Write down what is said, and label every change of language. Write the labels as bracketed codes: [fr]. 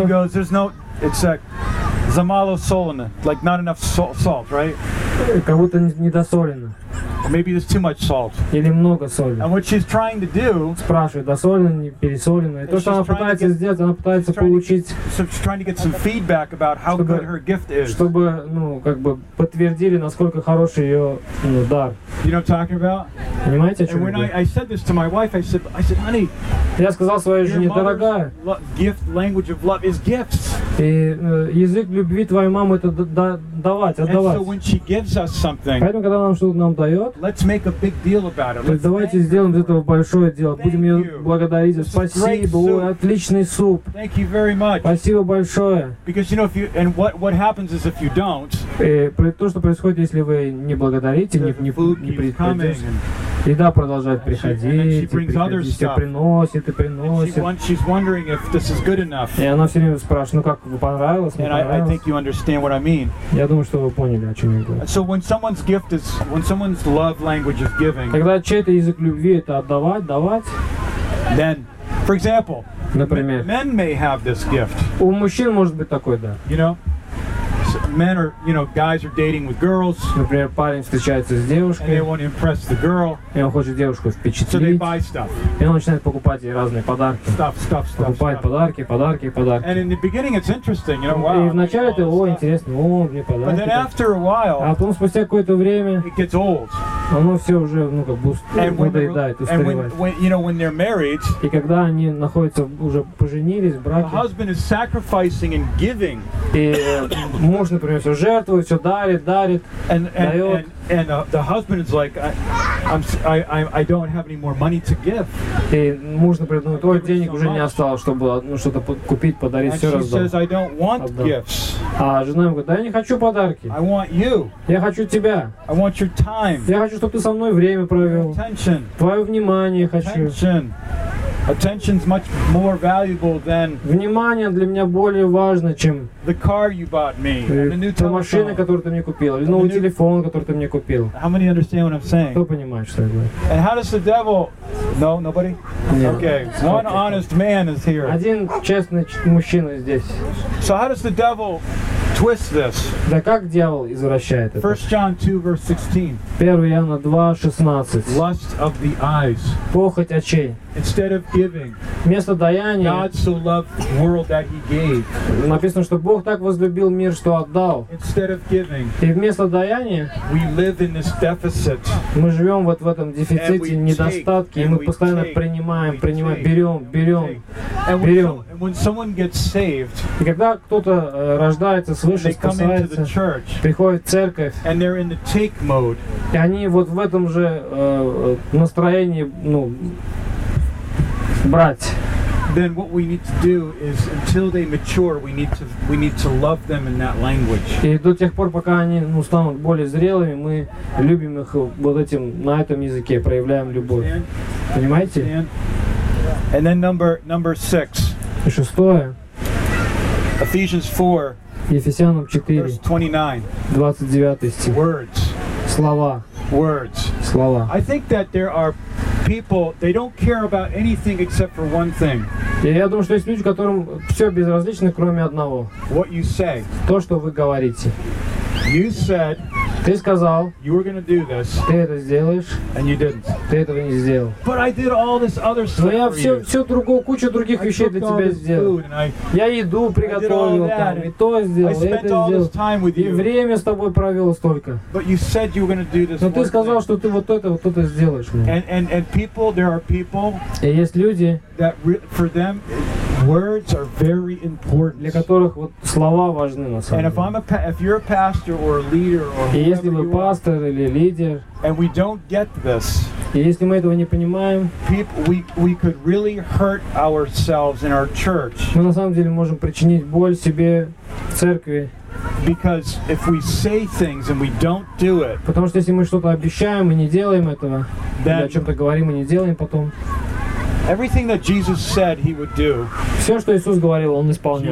[en] She goes, there's no, it's a [ru] замало солено, [en] like not enough salt, right? [ru] Как будто недосолено. [en] Maybe there's too much salt. [ru] Или много соли. [en] And what she's trying to do? [ru] Спрашивает, досолено, не пересолено. И то, что она пытается сделать, она пытается получить. [en] So she's trying to get some feedback about how good her gift is. [ru] Чтобы, ну, как бы подтвердили, насколько хороший ее, ну, дар. [en] You know what I'm talking about? [ru] Понимаете, о чем я говорю? [en] And when I said this to my wife, I said, honey. [ru] Я сказал своей жене, дорогая. [en] Gift language of love is gifts. [ru] И язык любви твоей мамы это давать, отдавать. [en] And so when she gives us something. [ru] Поэтому когда нам что-то нам дает. [en] Let's make a big deal about it. Let's [ru] давайте сделаем из этого большое дело. Будем ее благодарить. Спасибо. Ой, отличный суп. [en] Thank you very much. [ru] Спасибо большое. [en] Because you know if you and what happens is if you don't. [ru] То, что происходит, если вы не благодарите, не приходите. Еда продолжает приходить, все приносит и приносит. [en] She's wondering if this is good enough. [ru] И она все время спрашивает, ну как, понравилось, не понравилось? [en] And I think you understand what I mean. [ru] Я думаю, что вы поняли, о чем я говорю. [en] So when someone's gift is, when someone's love language is giving. [ru] Когда чей-то язык любви это отдавать, давать. [en] Then, for example. [ru] Например. [en] Men may have this gift. [ru] У мужчин может быть такой, да. [en] You know. Men are, you know, guys are dating with girls. [ru] Например, парень встречается с девушкой. [en] And they want to impress the girl. [ru] И он хочет девушку впечатлить. [en] So they buy stuff. [ru] И он начинает покупать ей разные подарки. [en] Stuff. [ru] Покупает подарки, подарки, подарки. [en] And in the beginning it's interesting, you know, wow. [ru] И вначале это, о, интересно, о, мне подарки. [en] But then after a while. [ru] А потом спустя какое-то время. [en] It gets old. [ru] Оно все уже, ну как бы, надоедает, устаревает. И когда они находятся, уже поженились, в браке. [en] The husband is sacrificing and giving. [ru] И муж, например, все жертвует, все дарит, дарит, дает. [en] And the husband is like, I don't have any more money to give. [ru] И муж, например, думает, ой, денег уже не осталось, чтобы ну что-то купить, подарить, все раздал. [en] And she says, I don't want gifts. [ru] А жена ему говорит, да я не хочу подарки. [en] I want you. [ru] Я хочу тебя. [en] I want your time. [ru] Я хочу, чтобы ты со мной время провел. [en] Attention. [ru] Твое внимание хочу. [en] Attention. Attention's much more valuable than [ru] внимание для меня более важно, чем [en] the car you bought me, and the new telephone, [ru] машина, которую ты мне купил, или новый телефон, который ты мне купил. [en] How many understand what I'm saying? [ru] Кто понимает, что я говорю? [en] And how does the devil? No, nobody. Yeah. Okay. One honest man is here. [ru] Один честный мужчина здесь. [en] So how does the devil twist this? [ru] Да как дьявол извращает это? [en] 1 John 2 verse 16. [ru] 1 Иоанна 2, 16. [en] Lust of the eyes. [ru] Похоть очей. [en] Instead of giving. [ru] Вместо даяния. [en] God so loved the world that he gave. [ru] Написано, что Бог так возлюбил мир, что отдал. [en] Instead of giving. [ru] И вместо даяния. [en] We live in this deficit. [ru] Мы живем вот в этом дефиците, недостатке, и мы постоянно принимаем, берем. [en] And when someone gets saved, [ru] и когда кто-то рождается свыше, [en] they come [ru] спасается, [en] into the church, [ru] приходит в церковь, [en] and they're in the take mode, [ru] и они вот в этом же настроении, ну, брать. [en] Then what we need to do is, until they mature, we need to love them in that language. [ru] И до тех пор, пока они, ну, станут более зрелыми, мы любим их вот этим, на этом языке, проявляем любовь. [en] Understand? [ru] Понимаете? [en] Understand? And then number six. [ru] И шестое. [en] Ephesians 4. [ru] Ефесянам 4. [en] Verse 29. [ru] 29 стих. [en] Words. [ru] Слова. [en] Words. [ru] Слова. [en] I think that there are people, they don't care about anything except for one thing. [ru] Я думаю, что есть люди, которым все безразлично, кроме одного. [en] What you say. [ru] То, что вы говорите. [en] You said. [ru] Ты сказал. [en] You were gonna do this. [ru] Ты это сделаешь. [en] And you didn't. [ru] Ты этого не сделал. [en] But I did all this other stuff. [ru] Но я все другую, кучу других вещей для тебя сделал. Я еду приготовил там, и то сделал, [en] I spent [ru] это [en] all [ru] сделал. [en] This time with you. [ru] И время с тобой провел столько. [en] But you said you were gonna do this. [ru] Но ты сказал, что ты вот это сделаешь мне. [en] And people, there are people. [ru] И есть люди. [en] That for them. Words are very important. [ru] Для которых вот слова важны на самом деле. [en] And if I'm a if you're a pastor or a leader or whoever. [ru] И если вы пастор или лидер. [en] And we don't get this. [ru] И если мы этого не понимаем. [en] People, we could really hurt ourselves in our church. [ru] Мы на самом деле можем причинить боль себе в церкви. [en] Because if we say things and we don't do it. [ru] Потому что если мы что-то обещаем и не делаем этого. Или о чем-то говорим и не делаем потом. [en] Everything that Jesus said he would do. [ru] Все, что Иисус говорил, он исполнил.